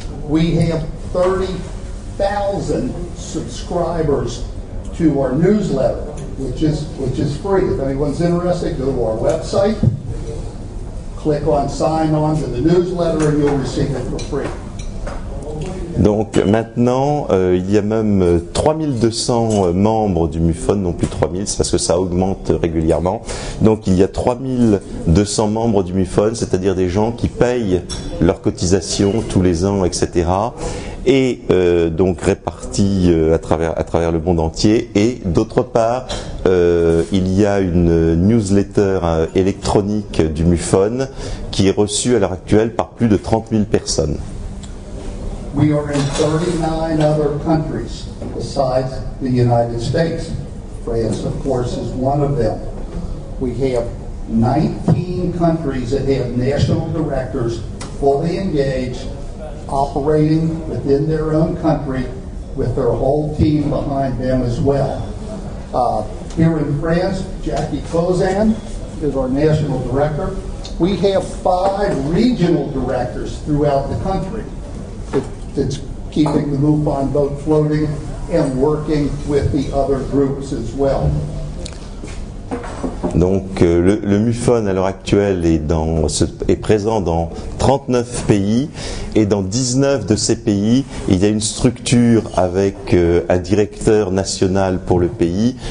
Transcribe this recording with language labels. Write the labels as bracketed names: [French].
[English] We have 30,000 subscribers to our newsletter, which is free. If anyone's interested, go to our website. Click on sign on to the newsletter and you'll receive it for free. [French] Donc maintenant, il y a même 3200 membres du MUFON, non plus 3000, c'est parce que ça augmente régulièrement. Donc il y a 3200 membres du MUFON, c'est-à-dire des gens qui payent leurs cotisations tous les ans, etc. Et donc répartis à travers le monde entier. Et d'autre part, il y a une newsletter électronique du MUFON qui est reçue à l'heure actuelle par plus de 30 000 personnes. [English] We are in 39 other countries besides the United States. France, of course, is one of them. We have 19 countries that have national directors fully engaged, operating within their own country with their whole team behind them as well. Here in France, Jackie Cozan is our national director. We have 5 regional directors throughout the country that's keeping the MUFON boat floating and working with the other groups as well. [French] Donc le MUFON à l'heure actuelle est présent dans 39 pays et dans 19 de ces pays, il y a une structure avec un directeur national pour le pays.